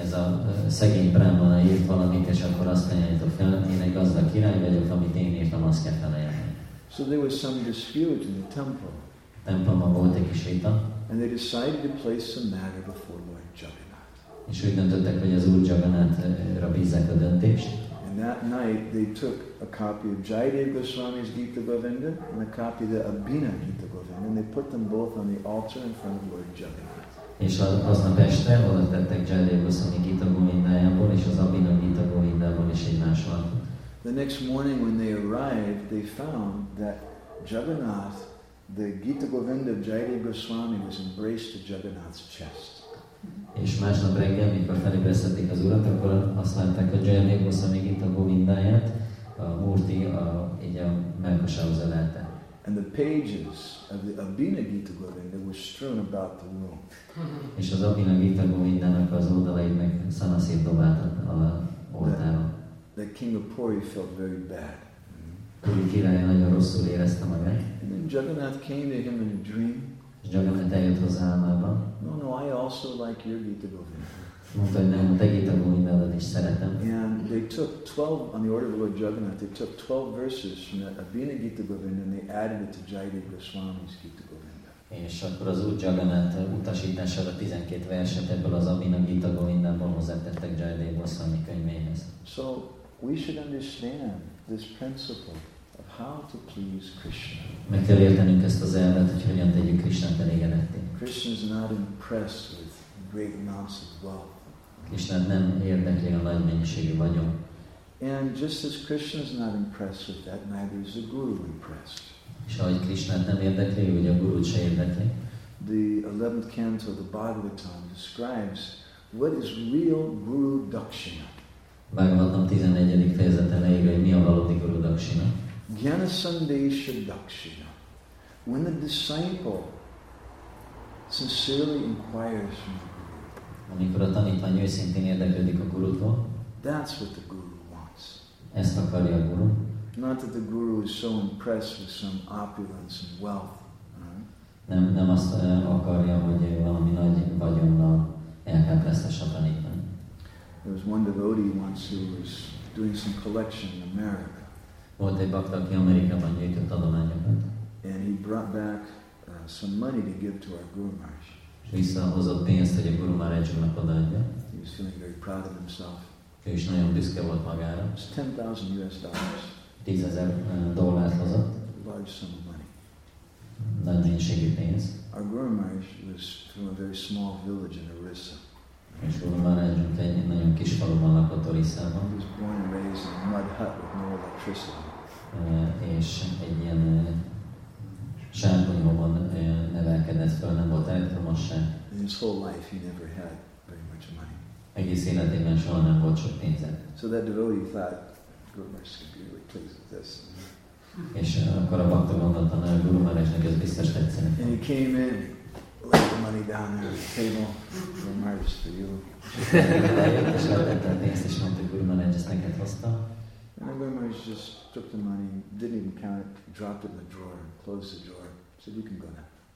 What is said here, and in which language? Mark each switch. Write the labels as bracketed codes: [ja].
[hu] Ez a szegény Brahmin írt valamit, és akkor azt ajánljátok fel, én egy gazdag király vagyok, amit én írtam, azt kell felajánlani. [en] So there was some dispute in the temple. [hu] Templomban volt egy kis vita. [en] And they decided to place some matter before Lord Jagannath. [hu] És úgy döntöttek, hogy az Úr Jagannáthra bízzák a döntést. [en] And that night they took a copy of Jayadev Goswami's Gita Govinda and a copy of the Abhina Gita Govinda and they put them both on the altar in front of Lord Jagannath. [hu] És aznap este oda tettek Jayadev Goswami Gita Govindájából és az Abhina Gita Govindából is egymással. [en] The next morning when they arrived, they found that Jagannath, the Gita Govinda of Jayadev Goswami, was embraced to Jagannath's chest. [hu] És másnap reggel, amikor felébresztették az urat, akkor azt látták, hogy Jayadev Goswami Gita Govindáját a Murti így a mellkasához ölelte. [en] And the pages of the Abhina Gita Govinda were strewn about the room. [hu] És az Abhina Gita Govindának az oldalait meg szanaszét dobáltak a oltáron. [en] The king of Puri felt very bad. [hu] Puri király nagyon rosszul érezte magát. [en] And then Jagannath came to him in a dream. [hu] Jagannath eljött hozzá álmában. [en] No, I also like your Gita Govinda. [hu] Mondta, hogy nem, a te Gita Govindádat is szeretem. [en] And they took 12, on the order of Lord Jagannath, they took 12 verses from that Abhina Gita Govinda and they added it to Jayadev Goswami's Gita Govinda. [hu] És akkor az Úr Jagannath utasítására 12 verset ebből az Abhina Gita Govindából hozzátettek Jayadev Goswami könyvéhez. [en] So, we should understand this principle of how to please Krishna. [hu] Meg kell értenünk ezt az elvet, hogy hogyan tegyük Krishnát elégedetté. [en] Krishna is not impressed with great amounts of wealth. [hu] Krishna nem érdekli a nagy mennyiségű vagyon. [en] And just as Krishna is not impressed with that, neither is the guru impressed. [hu] És ahogy Krishnát nem érdekli, hogy a gurut se érdekli. [en] The 11th canto of the Bhagavatam describes what is real guru dakshina. [hu] Bhagavatam 11. fejezet elejéig, hogy mi a valódi guru dakshina. [sa] Jnana sandesha dakshina. [en] When the disciple sincerely inquires from the guru, [hu] amikor a tanítvány őszintén érdeklődik a gurutól, [en] that's what the guru wants. [hu] Ezt akarja a guru. [en] Not that the guru is so impressed with some opulence and wealth. [hu] Nem azt akarja, hogy valami nagy vagyonnal elkeprestesse a tanítvány. [en] There was one devotee once who was doing some collection in America. [hu] Volt egy bakta, aki Amerikában gyűjtött adományokat. [en] And he brought back some money to give to our Guru Maharaj. [hu] Visszahozott pénzt, hogy a Guru Maharajnak odaadja. [en] He was feeling very proud of himself. [hu] Ő is nagyon büszke volt magára. [en] It's 10,000 US dollars. [hu] 10,000 dollárt hozott. [en] Large sum of money. [hu] Nagy mennyiségű pénz. [en] Our Guru Maharaj was from a very small village in Orissa. [hu] És Guru Maharajunk egy nagyon kis faluban lakott Orissában. [en] He was born and raised in a mud hut with no electricity. [hu] És egy ilyen sárkonyhóban nevelkedett fel, nem volt elektromosság. [en] In his whole life he never had very much money. [hu] Egész életében soha nem volt sok pénze. [en] So that devotee thought, Guru Maharaj should be really pleased with this. [hu] És akkor a bakta gondolta, hogy a Guru Maharajnak ez biztos tetszene. [en] And he came in, laid the money down there on the table, Guru Maharaj for you. [hu] És letette a pénzt, és mondta, Guru Maharaj ezt neked hozta. [en] And Guru Maharaj just took the money, didn't even count it, dropped it in the drawer, closed the drawer, said, you can go now.